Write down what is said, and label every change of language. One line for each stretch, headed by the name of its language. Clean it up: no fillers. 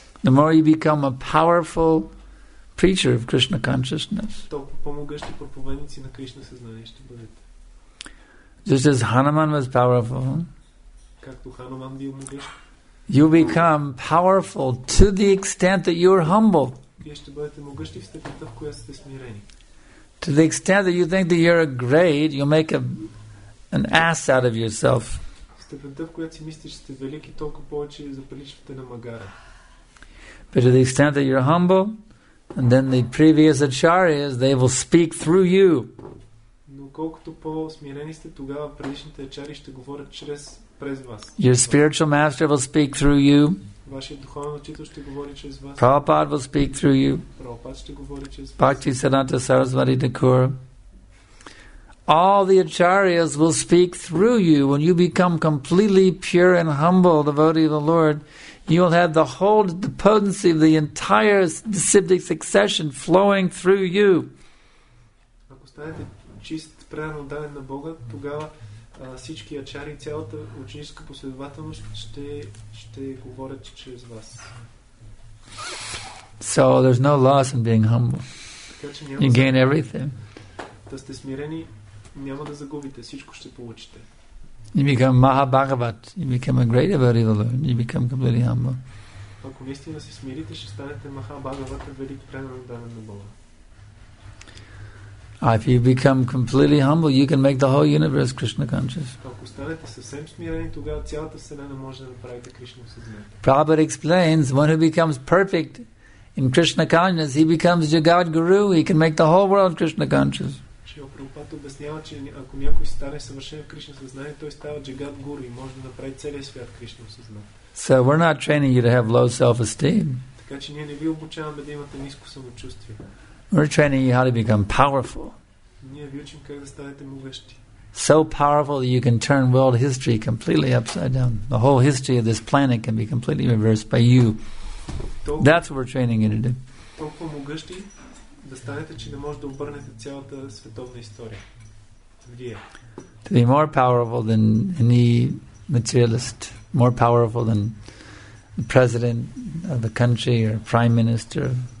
English: the more you become a powerful preacher of Krishna consciousness.
Bulgarian: Толкова по-могъщи проповедници на Кришна съзнание ще бъдете.
English: Just as Hanuman was powerful,
Bulgarian: както Хануман бил могъщ,
English: you become powerful to the extent that you are humble.
Bulgarian: Вие ще бъдете могъщи в степента, в която сте смирени.
English: To the extent that you think that you're great, you make an ass out of yourself.
Bulgarian: Степента, в която си мислиш, че сте велики, толкова повече заприличвате на магара.
English: But to the extent that you're humble, and then the previous acharyas, they will speak through you.
Bulgarian: Но колкото по-смирени сте, тогава предишните ачари ще говорят чрез през вас.
English: Your spiritual master will speak through you.
Bulgarian: Вашият духовен учител ще говори чрез вас.
English: Prabhupada will speak through you.
Bulgarian: Prabhupada ще говори чрез вас.
English: Bhakti Siddhanta Sarasvati Thakura. All the acharyas will speak through you. When you become completely pure and humble devotee of the Lord, you will have the potency of the entire siddhic succession flowing through you.
Bulgarian: Ако станете чист, преданно даден на Бога, тогава всички ачари, цялата ученическа последователност ще говорят чрез вас.
English: So there's no loss in being humble. You gain everything.
Bulgarian: Да сте смирени, няма да загубите, всичко ще получите.
English: You become Mahabhagavat. You become a great devotee of the Lord. You become completely humble.
Bulgarian: Ако наистина се смирите, ще станете Mahabhagavat, велик преданен даден на Бога.
English: If you become completely humble, you can make the whole universe Krishna conscious.
Bulgarian: Ако станете съвсем смирени, тогава цялата вселена може да направите Кришна съзнание.
English: Prabhupada explains, one who becomes perfect in Krishna consciousness, he becomes Jagat Guru. He can make the whole world Krishna conscious.
Bulgarian: Шрила Прабхупада обяснява, че ако някой стане съвършен в Кришна съзнание, той става Джагат Гуру и може да направи целия свят Кришна съзнание.
English: So we're not training you to have low self-esteem.
Bulgarian: Така че ние не ви обучаваме да имате ниско самочувствие.
English: We're training you how to become powerful.
Bulgarian: Ние ви учим как да станете могъщи.
English: So powerful that you can turn world history completely upside down. The whole history of this planet can be completely reversed by you. That's what we're training you to do.
Bulgarian: Толкова могъщи да станете, че не може да обърнете цялата световна история. Вие.
English: To be more powerful than any materialist, more powerful than the president of the country or prime minister.